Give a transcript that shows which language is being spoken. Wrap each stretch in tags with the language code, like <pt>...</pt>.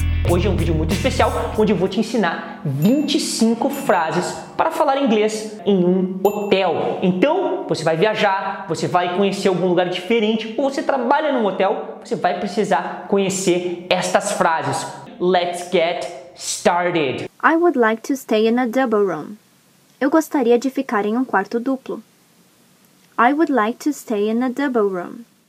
<pt>Hoje é um vídeo muito especial, onde eu vou te ensinar 25 frases para falar inglês em um hotel. Então, você vai viajar, você vai conhecer algum lugar diferente, ou você trabalha num hotel, você vai precisar conhecer estas frases.</pt> <en>Let's get started. I would like to stay in a double room.</en> <pt>Eu gostaria de ficar em um quarto duplo.</pt> <en>I would like to stay in a double room.</en>